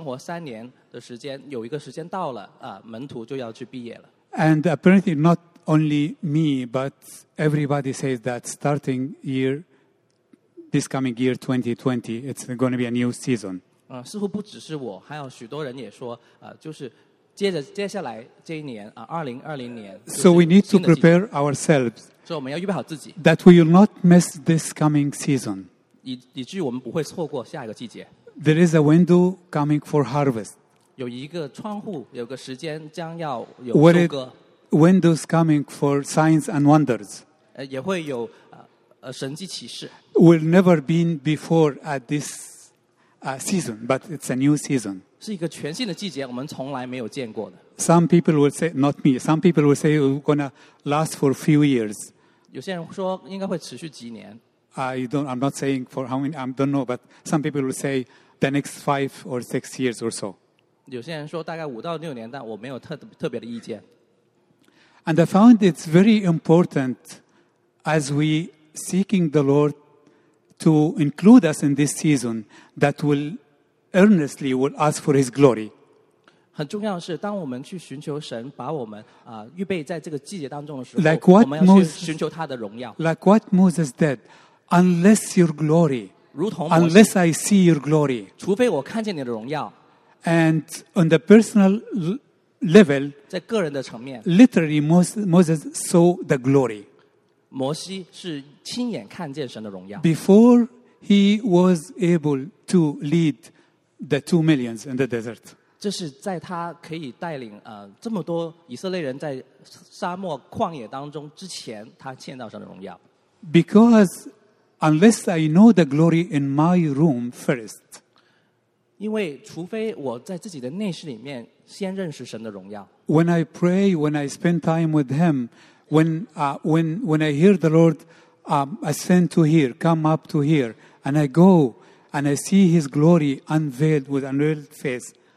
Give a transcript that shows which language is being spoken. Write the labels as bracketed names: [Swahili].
[Chinese] 当耶稣跟门徒一起是生活3年的时间, 有一个时间到了, 门徒就要去毕业了。 [English] And apparently not only me, but everybody says that starting year, this coming year 2020, it's going to be a new season. [Chinese] 似乎不只是我, 还有许多人也说, 就是接着接下来这一年, 2020年, [English] so we need to prepare ourselves, [Chinese] 所以我们要预备好自己, [English] that we will not miss this coming season. [Chinese] 以至于我们不会错过下一个季节。 [English] There is a window coming for harvest. [Chinese] 有一个窗户, 有个时间将要有收割。 [English] Windows coming for signs and wonders. [Chinese] 也会有, 神迹启示。 [English] We've never been before at this season, but it's a new season. [Chinese] 是一个全新的季节, 我们从来没有见过的。 [English] Some people will say, not me, some people will say it's going to last for a few years. [Chinese] 有些人说应该会持续几年。 [English] I'm not saying for how many, I don't know, but some people will say the next 5 or 6 years or so. [Chinese] 有些人说大概5到6年, 但我没有特别的意见。 [English] And I found it's very important as we seeking the Lord to include us in this season that will earnestly will ask for His glory. [Chinese] 很重要的是当我们去寻求神, 把我们, 预备在这个季节当中的时候, [English] like what [Chinese] 我们要去寻求他的荣耀。 [English] Like what Moses did. Unless your glory, [Chinese] 如同我, [English] unless I see your glory, [Chinese] 除非我看见你的荣耀, [English] and on the personal level, [Chinese] 在个人的层面, [English] literally Moses saw the glory. [Chinese] 摩西是亲眼看见神的荣耀。 [English] Before he was able to lead the 2 millions in the desert. [Chinese] 这是在他可以带领, 这么多以色列人在沙漠旷野当中之前, 他见到神的荣耀。 [English] Because unless I know the glory in my room first, [Chinese] 因为除非我在自己的内室里面先认识神的荣耀。 [English] When I pray, when I spend time with Him, when I hear the Lord ascend to here, come up to here, and I go and I see His glory unveiled with unveiled face.